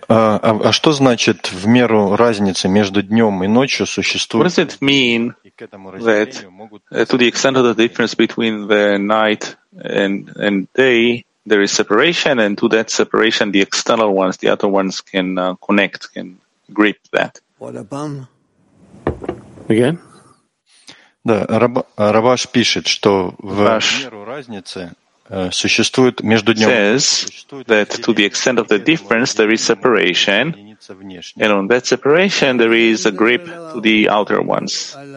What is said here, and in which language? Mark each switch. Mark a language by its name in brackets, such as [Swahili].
[Russian] А что значит в меру разницы между днем и ночью существует? [English] What does it mean that to the extent of the difference between the night and day there is separation, and to that separation the external ones, the other ones can connect, can grip that? Again? [Russian] Да, Рабаш пишет, что в меру разницы существует между днём. [English] Says that to the extent of the difference there is separation, and on that separation there is a grip to the outer ones.